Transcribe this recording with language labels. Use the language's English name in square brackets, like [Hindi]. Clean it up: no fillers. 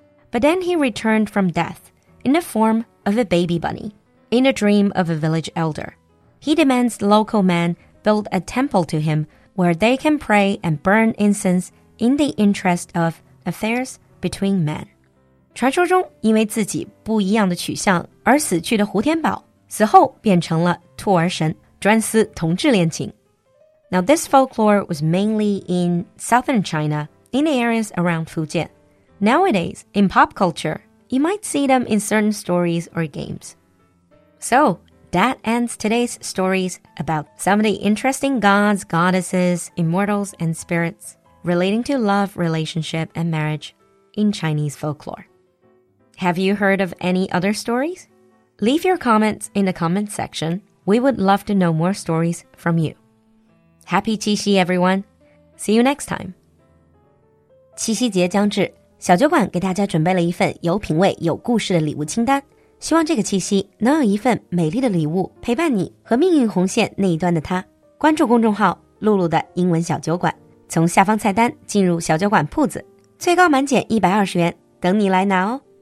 [English] But then he returned from death in the form of a baby bunny. In a dream of a village elder, he demands the local man build a temple to him where they can pray and burn incense in the interest of affairs between men. [Chinese] 传说中因为自己不一样的取向而死去的胡天宝死后变成了兔儿神专司同志恋情。 [English] Now this folklore was mainly in southern China, in the areas around Fujian. Nowadays, in pop culture, you might see them in certain stories or games. So, that ends today's stories about some of the interesting gods, goddesses, immortals, and spirits relating to love, relationship, and marriage in Chinese folklore. Have you heard of any other stories? Leave your comments in the comments section. We would love to know more stories from you. Happy 七夕, everyone. See you next time. [Chinese] 七夕节将至，小酒馆给大家准备了一份有品味、有故事的礼物清单。希望这个七夕能有一份美丽的礼物陪伴你和命运红线那一端的他。关注公众号露露的英文小酒馆，从下方菜单进入小酒馆铺子，最高满减120元，等你来拿哦。